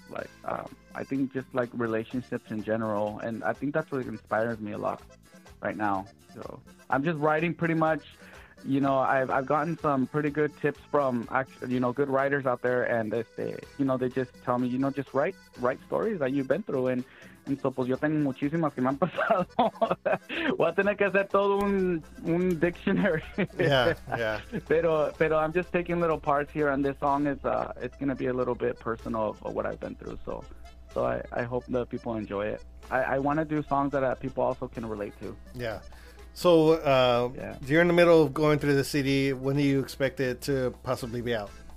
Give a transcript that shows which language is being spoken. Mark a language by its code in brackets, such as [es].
[en] Like, I think just like relationships in general. And I think that's what inspires me a lot right now. So I'm just writing pretty much, you know, I've gotten some pretty good tips from actually, you know, good writers out there. And they just tell me, you know, just write stories that you've been through. [es] And so, pues, yo tengo muchísimas que me han pasado. Voy a tener que hacer todo un dictionary. [en] Yeah, yeah. Pero I'm just taking little parts here, and this song is it's going to be a little bit personal of what I've been through. So I hope that people enjoy it. I want to do songs that people also can relate to. Yeah. So, you're in the middle of going through the CD. When do you expect it to possibly be out?